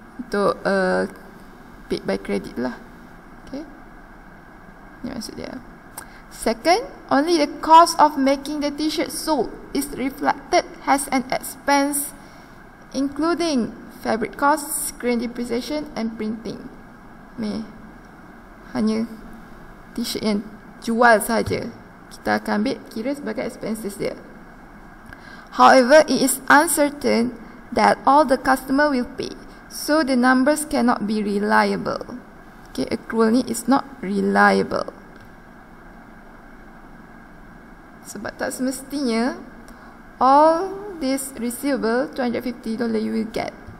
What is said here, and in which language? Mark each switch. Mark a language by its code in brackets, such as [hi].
[en] To paid by credit lah. Okay. Second, only the cost of making the T-shirt sold is reflected as an expense, including fabric costs, grain depreciation, and printing. [ms] Hanya T-shirt yang jual saja kita akan ambil kira sebagai expenses dia. [en] However, it is uncertain that all the customer will pay, so the numbers cannot be reliable. Okay, accrual [ms] ni [en] is not reliable. [ms] Sebab tak semestinya [en] all this receivable $250 you will get.